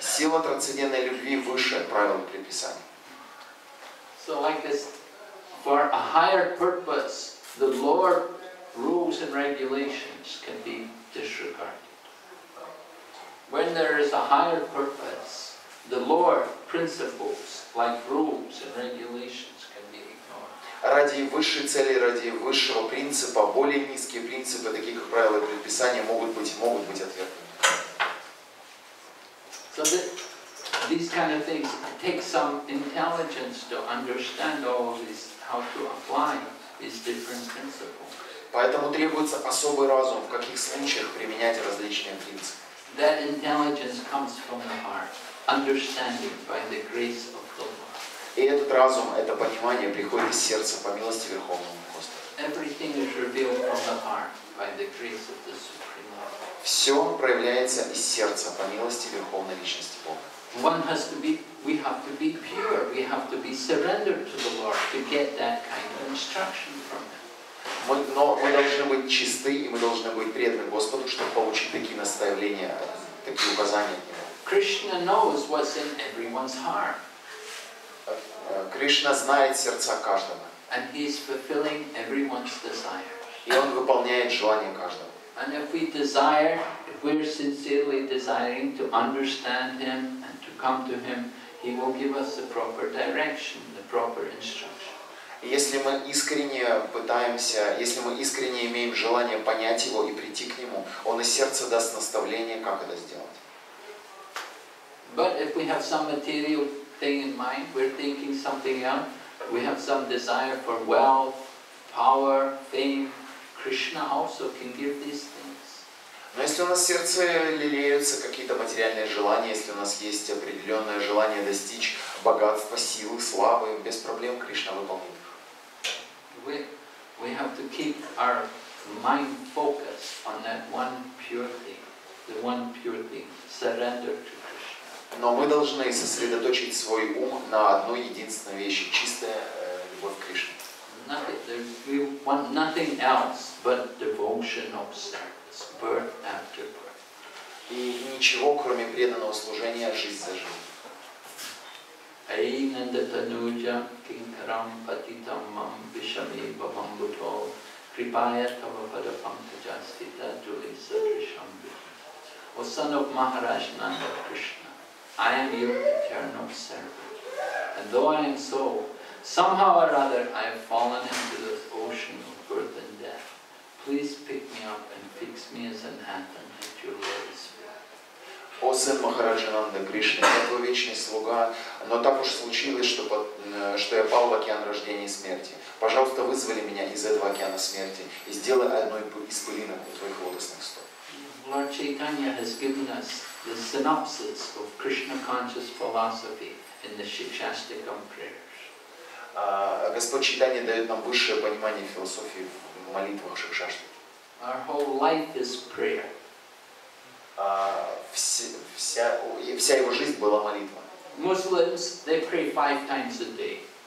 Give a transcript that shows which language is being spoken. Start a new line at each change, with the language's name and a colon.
Russian: Сила трансцендентной любви выше правил и предписаний.
English: So like this, for a higher purpose, the lower rules and regulations can be disregarded. When there is a higher purpose, the lower principles, like rules and regulations, can be ignored.
Russian: Ради высшей цели, ради высшего принципа, более низкие принципы, такие как правила и предписания, могут быть отвергнуты.
English: So these kind of things take some intelligence to understand all of these, how to apply these different principles.
Russian: Поэтому требуется особый разум, в каких случаях применять различные принципы.
English: That intelligence comes from the heart. Understanding by the grace of the Lord.
Russian: И этот разум, это понимание приходит из сердца по милости Верховного Господа.
English: Everything is revealed from the heart by the grace of the Supreme Lord.
Russian: Все проявляется из сердца по милости Верховной Личности Бога.
English: One has to be, we have to be pure, we have to be surrendered to the Lord to get that kind of instruction from Him.
Russian: Но мы должны быть чисты и мы должны быть преданы Господу, чтобы получить такие наставления, такие указания.
English: Krishna knows what's in everyone's heart.
Russian: Кришна знает сердца каждого.
English: And he is fulfilling everyone's desire.
Russian: И он выполняет желание каждого.
English: And if we desire, if we're sincerely desiring to understand him and to come to him, he will give us the proper direction, the proper instruction.
Russian: Если мы искренне имеем желание понять его и прийти к нему, он из сердца даст наставление, как это сделать.
English: But if we have some material thing in mind, we're thinking something else, we have some desire for wealth, power, fame, Krishna also can give these things.
Russian: Но если у нас в сердце лелеются какие-то материальные желания, если у нас есть определенное желание достичь богатства, силы, славы, без проблем Кришна выполнит их.
English: We have to keep our mind focused on that one pure thing, the one pure thing, surrender to.
Russian: Но мы должны сосредоточить свой ум на одной единственной вещи, чистая любовь к Кришне.
English: We want nothing else but devotion of service, birth after birth.
Russian: И ничего, кроме преданного служения, жизнь за жизнь.
Sanskrit: Айна датануджа кинкарам патитамам вишами бабам бутво крипая тава падапам таджастита джули садришам бихам.
English: О Son of Maharaj Nanda Krishna, I am your eternal servant. And though I am so, somehow or other I have fallen into this ocean of birth and death. Please pick me up and fix me as an atom at your Lord's feet.
Russian: О сын Махараджананда Кришна, я твой вечный слуга, но так уж случилось, что я пал в океан рождения и смерти. Пожалуйста, вызвали меня из этого океана смерти и сделай одной из пылинок у твоих лотосных стоп.
English: Lord Chaitanya has given us the synopsis of Krishna conscious philosophy in the Shikshastikam prayers.
Russian: Господь Чайтанья дает нам высшее понимание философии в молитвах Шикшаштики.
English: Our whole life is prayer.
Russian: Вся его жизнь была молитва.
English: Muslims, they pray 5 times a day.